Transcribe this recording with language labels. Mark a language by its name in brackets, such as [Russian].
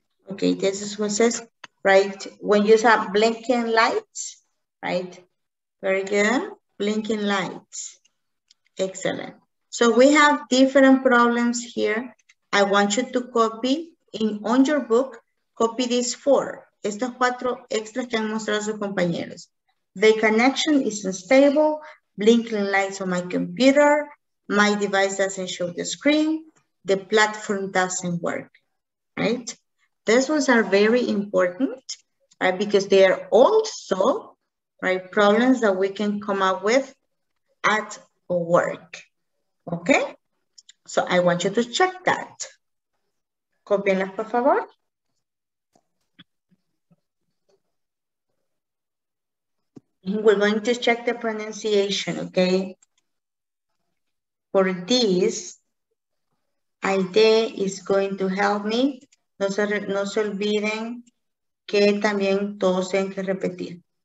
[English] Okay, this is what says, right? When you have blinking lights, right? Very good. Blinking lights. Excellent. So we have different problems here. I want you to copy on your book. Copy these four. [Spanish] Estos cuatro extras que han mostrado sus compañeros. [English] The connection is unstable. Blinking lights on my computer. My device doesn't show the screen. The platform doesn't work. Right? These ones are very important, right? Because they are also, right, problems that we can come up with at work. Okay? So I want you to check that. [Spanish] Copienlas, por favor. [English] We're going to check the pronunciation, okay? For this, Aide is going to help me. [Spanish] No se olviden que también todos tienen que repetir.